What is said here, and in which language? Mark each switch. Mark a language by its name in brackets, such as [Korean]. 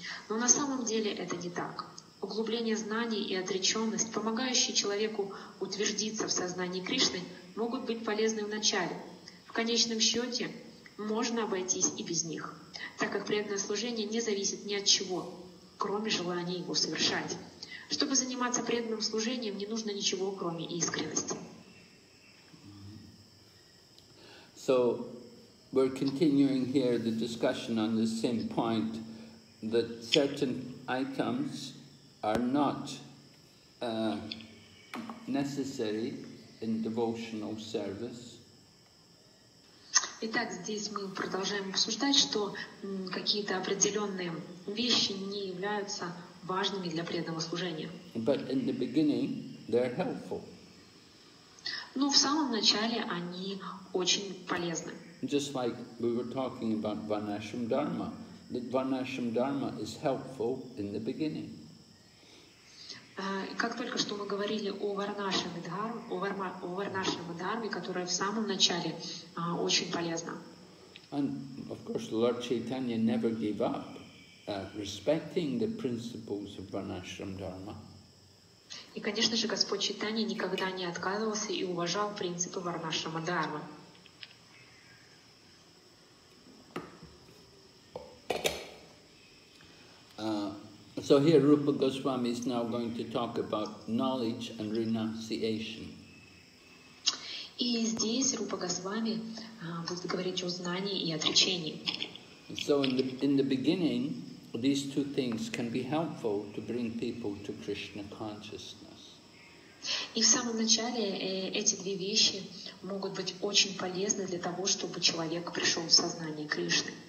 [Russian] Но на самом деле это не так. Углубление знаний и отреченность, помогающие человеку утвердиться в сознании Кришны, могут быть полезны в начале. В конечном счете, можно обойтись и без них, так как преданное служение не зависит ни от чего, кроме желания его совершать. Чтобы заниматься преданным служением, не нужно ничего, кроме искренности. [English] So, we're continuing here the discussion on the same point, that certain items are not necessary in devotional service. [Russian] Итак, здесь мы продолжаем обсуждать, что какие-то определенные вещи не являются важными для преданного служения. [English] But in the beginning, they're helpful. [Russian] Но в самом начале они очень полезны. [English] Just like we were talking about Varnashram Dharma, that Varnashram Dharma is helpful in the beginning. [Russian] Как только что мы говорили о Варнашрама Дхарме, которая в самом начале очень полезна. [English] And of course, Lord Chaitanya never gave up respecting the principles of Varnashram Dharma. [Russian] И, конечно же, Господь Чайтанья никогда не отказывался и уважал принципы Варнашрама Дхармы. [English] So here Rupa Goswami is now going to talk about knowledge and renunciation. [Russian] И здесь Рупа Госвами будет говорить о знании и отречении. [English] So in the beginning, these two things can be helpful to bring people to Krishna consciousness. [Russian] И в самом начале эти две вещи могут быть очень полезны для того, чтобы человек пришел в сознание Кришны.